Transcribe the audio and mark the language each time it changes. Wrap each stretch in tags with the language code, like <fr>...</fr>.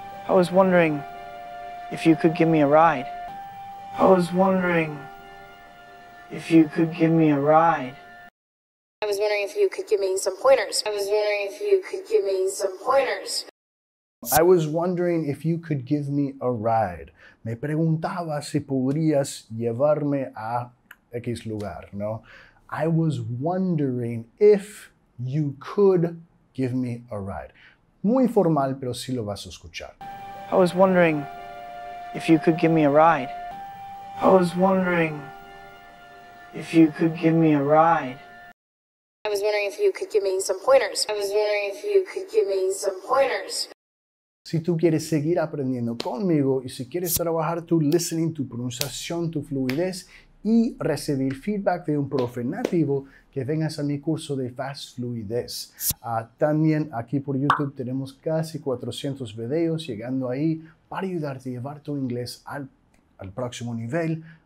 <en>I was wondering if you could give me a ride. I was wondering if you could give me a ride. I was wondering if you could give me some pointers. I was wondering if you could give me some pointers. I was wondering if you could give me a ride.</en> <es>Me preguntaba si podrías llevarme a X lugar, ¿no?</es> <en>I was wondering if you could give me a ride.</en> <es>Muy formal, pero sí lo vas a escuchar.</es> <en>I was wondering if you could give me a ride. I was wondering if you could give me a ride. I was wondering if you could give me some pointers. I was wondering if you could give me some pointers.</en> <es>Si tú quieres seguir aprendiendo conmigo y si quieres trabajar tu listening, tu pronunciación, tu fluidez y recibir feedback de un profe nativo, que vengas a mi curso de Fast Fluidez. También aquí por YouTube tenemos casi 400 videos llegando ahí para ayudarte a llevar tu inglés al próximo nivel.</es>